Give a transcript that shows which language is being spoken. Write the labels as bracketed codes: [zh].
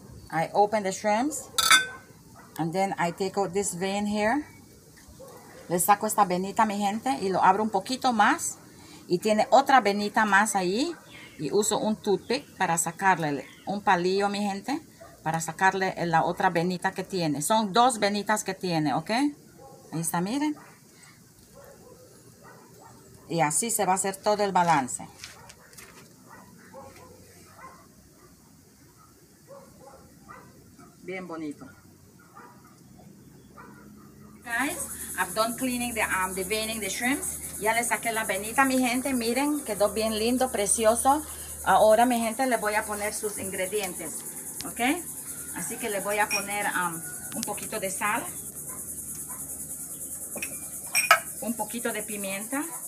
[en] I open the shrimps and then I take out this vein here. [es] Le saco esta venita, mi gente, y lo abro un poquito más y tiene otra venita más ahí y uso un toothpick para sacarle un palillo, mi gente, para sacarle la otra venita que tiene. Son dos venitas que tiene, ¿okay? Ahí está, miren. Y así se va a hacer todo el balance. Bien bonito. [en] Guys, I've done cleaning the deveining the shrimps. [es] Ya le saqué la venita, mi gente. Miren, quedó bien lindo, precioso. Ahora, mi gente, le voy a poner sus ingredientes, ¿ok? Así que le voy a poner un poquito de sal, un poquito de pimienta.